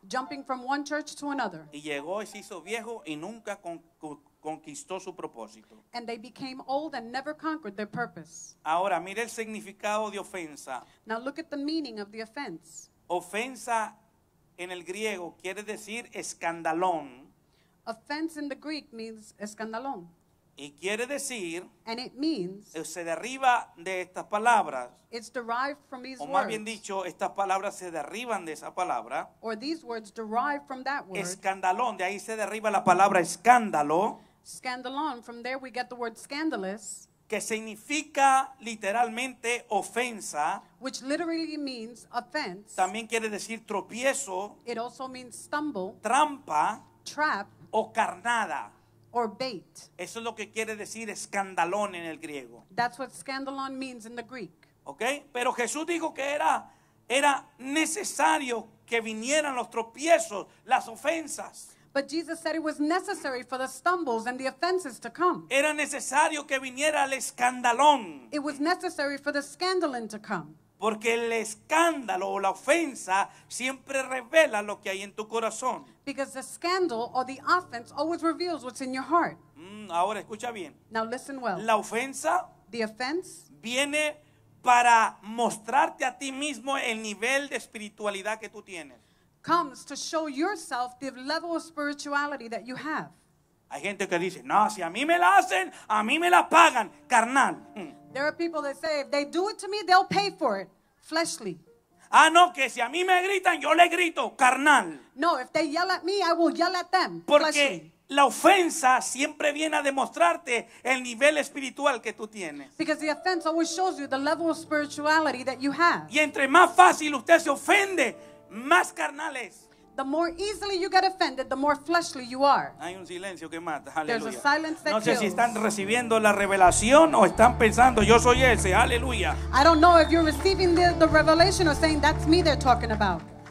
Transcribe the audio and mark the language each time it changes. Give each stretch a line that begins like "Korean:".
English: Jumping from one church to another.
Spanish: Y llegó y se hizo viejo y nunca conquistó su propósito.
English: And they became old and never conquered their purpose.
Spanish: Ahora, mire el significado de ofensa.
English: Now look at the meaning of the offense.
Spanish: Ofensa en el griego quiere decir escandalón.
English: Offense in the Greek means escandalón.
Spanish: Y quiere decir,
English: and it means,
Spanish: se deriva de estas palabras.
English: It's derived from these words.
Spanish: O más
English: words.
Spanish: Bien dicho, estas palabras se derivan de esa palabra.
English: Or these words derive from that word.
Spanish: Escandalón, de ahí se deriva la palabra escándalo.
English: Scandalon, from there we get the word scandalous.
Spanish: Que significa literalmente ofensa.
English: Which literally means offense.
Spanish: También quiere decir tropiezo.
English: It also means stumble.
Spanish: Trampa.
English: Trap
Spanish: o carnada
English: or bait.
Spanish: Eso es lo que quiere decir escandalón en el griego.
English: That's what scandalon means in the Greek.
Spanish: Okay, pero Jesús dijo que era necesario que vinieran los tropiezos, las ofensas.
English: But Jesus said it was necessary for the stumbles and the offenses to come.
Spanish: Era necesario que viniera el escandalón.
English: It was necessary for the scandal to come.
Spanish: Porque el escándalo o la ofensa siempre revela lo que hay en tu corazón.
English: Because the scandal or the offense always reveals what's in your heart.
Spanish: Ahora escucha bien.
English: Now listen well.
Spanish: La ofensa,
English: the offense,
Spanish: viene para mostrarte a ti mismo el nivel de espiritualidad que tú tienes.
English: Comes to show yourself the level of spirituality that you have.
Spanish: Hay gente que dice, no, si a mí me la hacen, a mí me la pagan, carnal.
English: There are people that say, if they do it to me, they'll pay for it, fleshly.
Spanish: Ah, no, que si a mí me gritan, yo le grito, carnal.
English: No, if they yell at me, I will yell at them,
Spanish: porque
English: fleshly.
Spanish: La ofensa siempre viene a demostrarte el nivel espiritual que tú tienes.
English: Because the offense always shows you the level of spirituality that you have.
Spanish: Y entre más fácil usted se ofende, más carnal es.
English: The more easily you get offended, the more fleshly you are.
Spanish: Hay un silencio que mata.
English: There's a silence that
Spanish: no sé
English: kills.
Spanish: Si están recibiendo la revelación o están pensando, yo soy ese. Aleluya.
English: I don't know if you're receiving the revelation or saying that's me they're talking about.